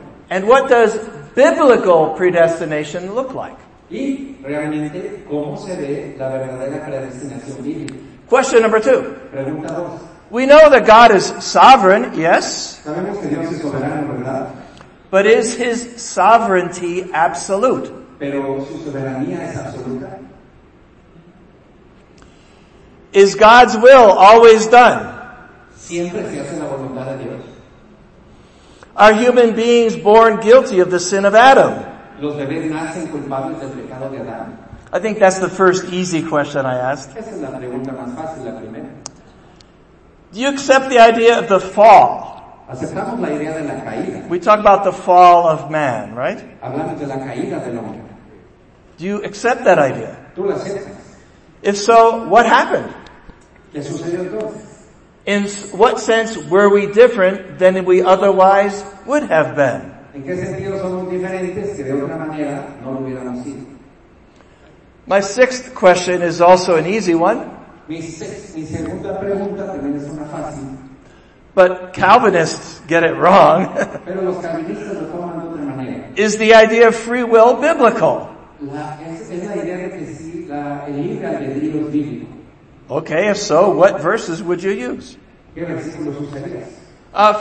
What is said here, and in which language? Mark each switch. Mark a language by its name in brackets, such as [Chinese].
[English] And what does biblical predestination look like? [Spanish] Y realmente, ¿cómo se ve la verdadera predestinación bíblica? [English] Question number two. [Spanish] Pregunta dos. [English] We know that God is sovereign, yes. [Spanish] Sabemos que Dios es soberano, ¿verdad? [English] But is his sovereignty absolute? [Spanish] Pero su soberanía es absoluta. [English] Is God's will always done? [Spanish] Siempre se hace la voluntad de Dios. [English] Are human beings born guilty of the sin of Adam? [Spanish] Los bebés nacen culpables del pecado de Adán. [English] I think that's the first easy question I asked. [Spanish] Esa es la pregunta más fácil, la primera. [English] Do you accept the idea of the fall? [Spanish] Aceptamos la idea de la caída. [English] We talk about the fall of man, right? [Spanish] Hablamos de la caída del hombre. [English] Do you accept that idea? [Spanish] Tú la aceptas. [English] If so, what happened? [Spanish] ¿Qué sucedió entonces? [English] In what sense were we different than we otherwise would have been? [Spanish] ¿En qué sentido somos diferentes que de otra manera no lo hubiéramos sido? [English] My sixth question is also an easy one. [Spanish] Mi segunda pregunta también es una fácil. [English] But Calvinists get it wrong. [Spanish] Pero los calvinistas lo toman de otra manera. [English] Is the idea of free will biblical? [Spanish] Es la idea de que sí, el libre albedrío es bíblico. [English] Okay, if so, what verses would you use? [Spanish] ¿Qué versículos usarías?